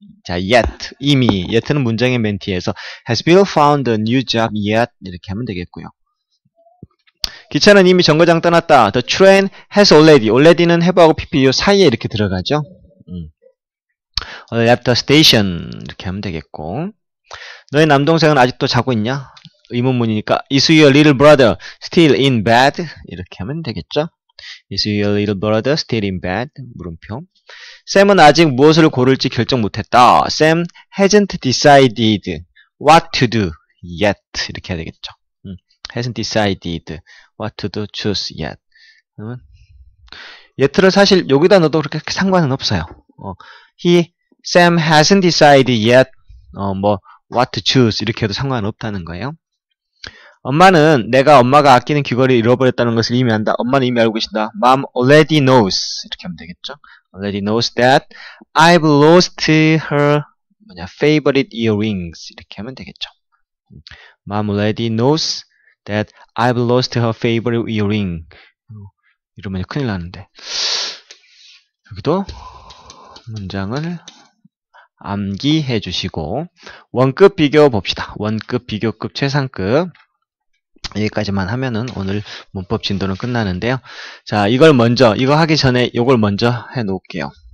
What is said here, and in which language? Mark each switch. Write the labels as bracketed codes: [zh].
[ko] 자, yet, 이미. yet는 문장의 맨 뒤에서 [en] has Bill found a new job yet? [ko] 이렇게 하면 되겠고요. 기차는 이미 정거장 떠났다. [en] The train has already. already는 have하고 PPU [ko] 사이에 이렇게 들어가죠. [en] left the station. [ko] 이렇게 하면 되겠고. 너의 남동생은 아직도 자고 있냐? 의문문이니까 [en] Is your little brother still in bed? [ko] 이렇게 하면 되겠죠? [en] Is your little brother still in bed? 물음표. [ko] Sam은 아직 무엇을 고를지 결정 못했다. [en] Sam hasn't decided what to do yet. [ko] 이렇게 해야 되겠죠? [en] Hasn't decided what to do choose yet. [ko] 그러면 yet를 사실 여기다 넣어도 그렇게 상관은 없어요. [en] Sam hasn't decided yet. What to choose [ko] 이렇게 해도 상관없다는 거예요. 엄마는 내가 엄마가 아끼는 귀걸이 잃어버렸다는 것을 이미 안다. 엄마는 이미 알고 계신다. [en] Mom already knows [ko] 이렇게 하면 되겠죠. [en] Already knows that I've lost her 뭐냐 favorite earrings 이렇게 하면 되겠죠. Mom already knows that I've lost her favorite earring. [ko] 이러면 큰일 나는데. 여기도 문장을 암기해 주시고 원급 비교 봅시다. 원급, 비교급, 최상급 여기까지만 하면은 오늘 문법 진도는 끝나는데요. 자, 이걸 먼저 이거 하기 전에 이걸 먼저 해 놓을게요.